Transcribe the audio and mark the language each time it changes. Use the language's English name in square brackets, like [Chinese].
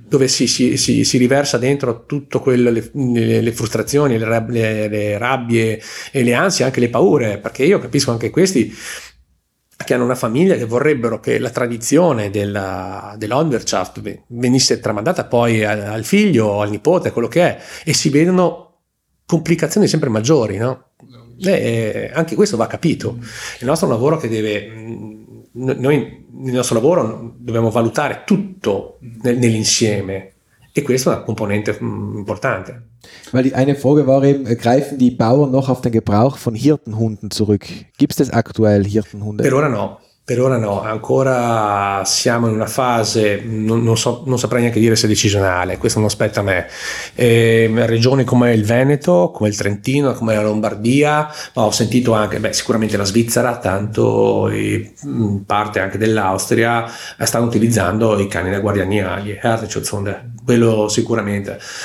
[Italian] Dove si riversa dentro tutto quello, le frustrazioni, le rabbie e le ansie, anche le paure, perché io capisco anche questi che hanno una famiglia che vorrebbero che la tradizione dell'Landwirtschaft venisse tramandata poi al figlio o al nipote, quello che è, e si vedono complicazioni sempre maggiori, no? Anche questo va capito. Il nostro lavoro che deve... Noi nel nostro lavoro dobbiamo valutare tutto nell'insieme, e questa è una componente importante. [German] Weil eine Frage war eben, greifen die Bauern noch auf den Gebrauch von Hirtenhunden zurück? Gibt es aktuell Hirtenhunde? [Italian] Per ora no, ancora siamo in una fase, non saprei neanche dire se è decisionale, questo non spetta a me. Regioni come il Veneto, come il Trentino, come la Lombardia, ma ho sentito anche, sicuramente la Svizzera, tanto parte anche dell'Austria, stanno utilizzando i cani da guardiania, gli Herdenschutzhunde, quello sicuramente.